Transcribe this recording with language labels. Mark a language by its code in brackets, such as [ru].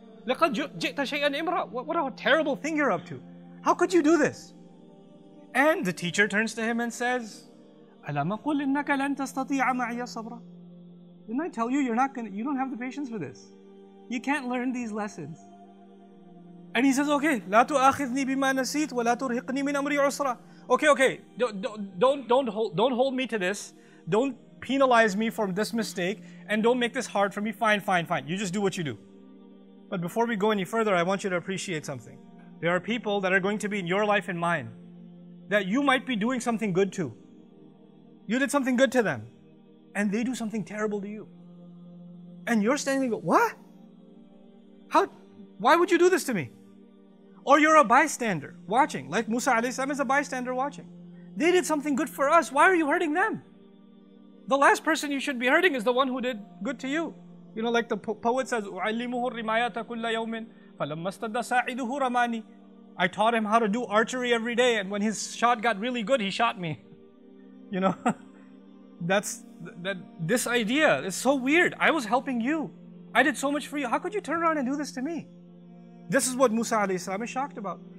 [ar] لَقَدْ جِئْتَ شَيْئًا إِمْرًا. [en] What a terrible thing you're up to. How could you do this? And the teacher turns to him and says, [ar] أَلَمْ أَقُلْ إِنَّكَ لَنْ تَسْتَطِيعَ مَعِيَ صَبْرًا. [en] Didn't I tell you, you don't have the patience for this. You can't learn these lessons. And he says, okay, [ar] لَا تُؤَخِذْنِي بِمَا نَسِيتْ وَلَا تُرْهِقْنِي مِنْ أَمْرِي عُسْرًا. [en] Okay, don't hold me to this. Don't penalize me for this mistake. And don't make this hard for me. Fine. You just do what you do. But before we go any further, I want you to appreciate something. There are people that are going to be in your life and mine that you might be doing something good to. You did something good to them, and they do something terrible to you. And you're standing there and go, what? How? Why would you do this to me? Or you're a bystander watching, like Musa alayhi salam is a bystander watching. They did something good for us. Why are you hurting them? The last person you should be hurting is the one who did good to you. You know, like the poet says, [ar] أُعَلِّمُهُ الرِّمَايَةَ كُلَّ يَوْمٍ فَلَمَّا اسْتَدَّ سَاعِدُهُ رَمَانِي. [en] I taught him how to do archery every day, and when his shot got really good, he shot me. You know, this idea is so weird. I was helping you. I did so much for you. How could you turn around and do this to me? This is what Musa alayhi salam is shocked about.